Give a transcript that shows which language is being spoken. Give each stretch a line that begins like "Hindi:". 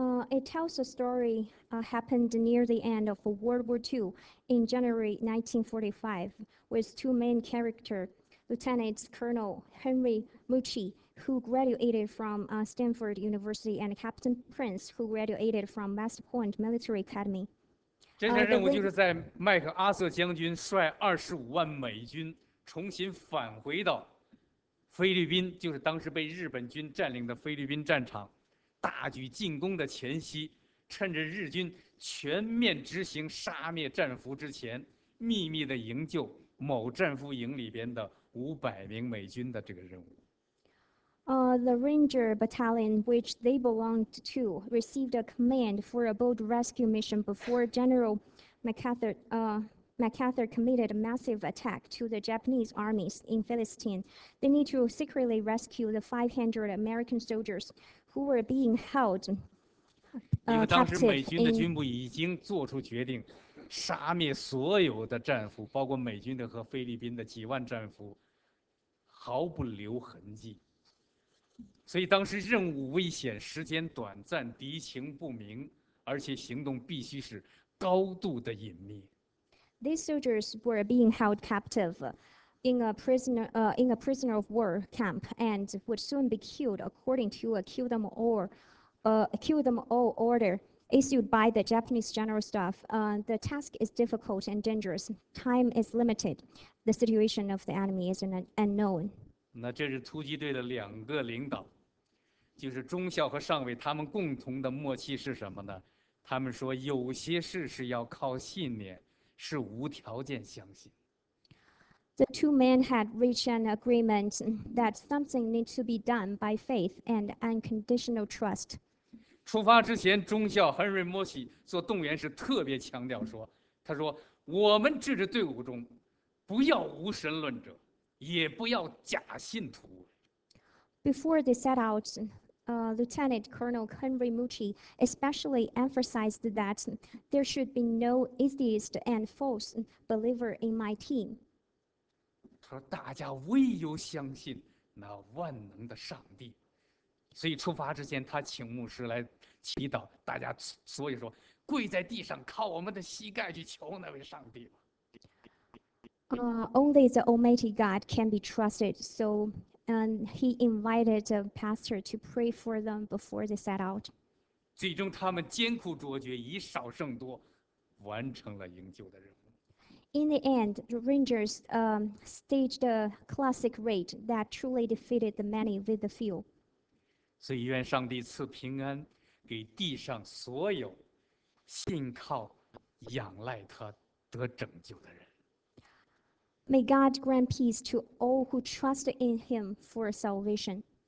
English: It tells a story happened near the end of World War II in January 1945 with two main characters, Lieutenant Colonel Henry Mucci, who graduated from Stanford University, and Captain Prince, who graduated from West Point Military Academy.
Chinese: 这项任务就是在麦克阿瑟将军率25万美军重新返回到菲律宾，就是当时被日本军占领的菲律宾战场，大举进攻的前夕，趁着日军全面执行杀灭战俘之前，秘密地营救某战俘营里边的500名美军的这个任务。
English: Ranger Battalion, which they belonged to, received a command for a boat rescue mission before General MacArthur committed a massive attack to the Japanese armies in Philistine. They need to secretly rescue the 500 American soldiers who were being held
Chinese: 因为当时美
English: captive
Chinese: 军的
English: in
Chinese: 军部已经做出决定，杀灭所有的战俘，包括美军的和菲律宾的几万战俘，毫不留痕迹。所以当时任务危险、时间短暂、敌情不明，而且行动必须是高度的隐秘。
English: These soldiers were being held captive in a prisoner of war camp and would soon be killed according to a kill them all kill them all order issued by the Japanese general staff. The task is difficult and dangerous. Time is limited. The situation of the enemy is unknown.
Chinese: 那这是突击队的两个领导，就是中校和上尉，他们共同的默契是什么呢？他们说有些事是要靠信念，是无条件相信。
English: The two men had reached an agreement that something needs to be done by faith and unconditional trust.
Chinese: 出发之前，中校 Henry Moshi 做动员时特别强调说，他说我们这支队伍中不要无神论者，也不要假信徒。
English: Before they set out, Lieutenant Colonel Henry Moshi especially emphasized that there should be no atheist and false believer in my team.
Chinese: 他说大家唯有相信那万能的上帝。所以出发之前他请牧师来祈祷大家，所以说跪在地上靠我们的膝盖去求那位上帝。
English: Only the Almighty God can be trusted, so he invited the pastor to pray for them before they set out.
Chinese: 最终他们艰苦卓绝，以少胜多，完成了营救的任务。
English: In the end, the Rangers staged a classic raid that truly defeated the many with the few.
Chinese: 所以愿上帝赐平安给地上所有信靠仰赖他得拯救的人。
English: May God grant peace to all who trust in Him for salvation.